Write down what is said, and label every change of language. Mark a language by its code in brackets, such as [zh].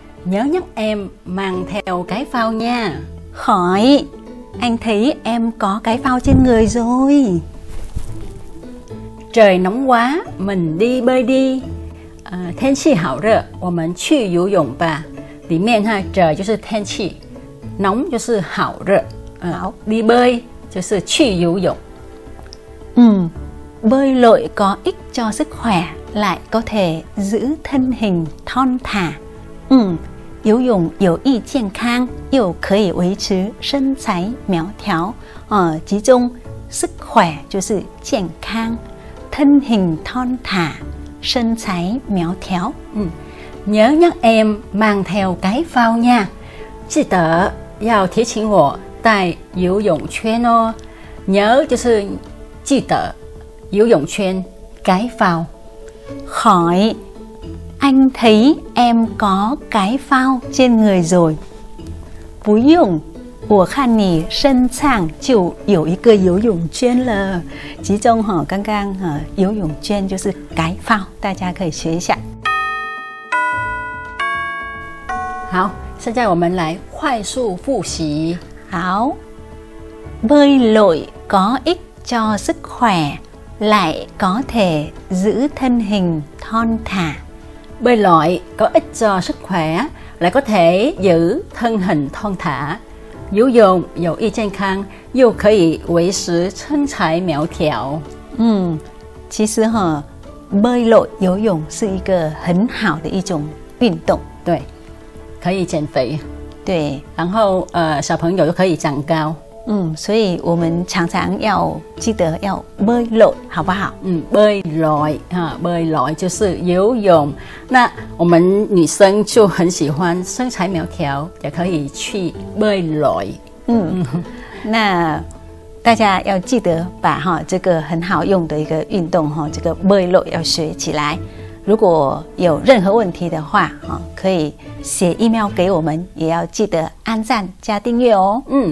[vi] Nhớ nhắc em mang theo cái phao nha. Khỏi, anh thấy em có cái phao trên người rồi. Trời nóng quá, mình đi bơi đi. Thiên khí hảo rỡ, [zh] 我们去游泳吧. 里面哈, 就是天气, 浓就是好热. 好, đi bơi. 就是去游泳。 [vi] bơi lội có ích cho sức khỏe, lại có thể giữ thân hình thon thả. [zh] 游泳有益健康，又可以维持身材苗条。其中sức khỏe 就是健康， thân hình thon thả 身材苗条。 [vi] Nhớ nhắc em mang theo cái phao nha. [zh] 记得要提醒我带游泳圈哦，nhớ 就是记得，游泳圈cái phao。 [vi] Hỏi anh thấy em có cái phao trên người rồi。 [zh] 不用，我看你身上就有一个游泳圈了。其中哈，刚刚哈，游泳圈就是cái phao，大家可以学一下。好，现在我们来快速复习。 [vi] 好 bơi lội có ích cho sức khỏe, lại có thể giữ thân hình thon thả. Bơi lội có ích cho sức khỏe, lại có thể giữ thân hình thon thả. [zh] 游泳有益健康，又可以维持身材苗条。其实哈 ，bơi lội 游泳是一个很好的一种运动，对，可以减肥。对，然后小朋友就可以长高。所以我们常常要记得要 bơi lội， 好不好？ bơi lội 哈 ，bơi lội 就是游泳。那我们女生就很喜欢身材苗条，也可以去 bơi lội。那大家要记得把哈这个很好用的一个运动哈，这个 bơi lội 要学起来。如果有任何问题的话，可以写 email 给我们，也要记得按赞加订阅哦。